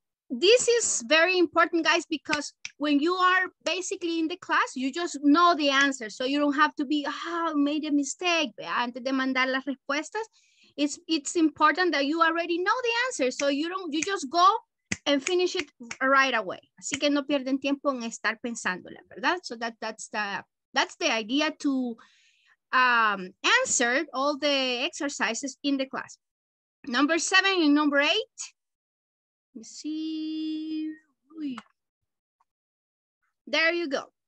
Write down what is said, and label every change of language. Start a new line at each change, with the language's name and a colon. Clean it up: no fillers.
English: This is very important, guys, because when you are basically in the class, you just know the answer. So you don't have to be, oh, I made a mistake.
Spanish: Antes de mandar las respuestas,
English: it's important that you already know the answer. So you just go and finish it right away.
Spanish: Así que no pierden tiempo en estar pensándola, ¿verdad?
English: So that's the idea to answer all the exercises in the class. Number seven and number eight. Let me see. There you go.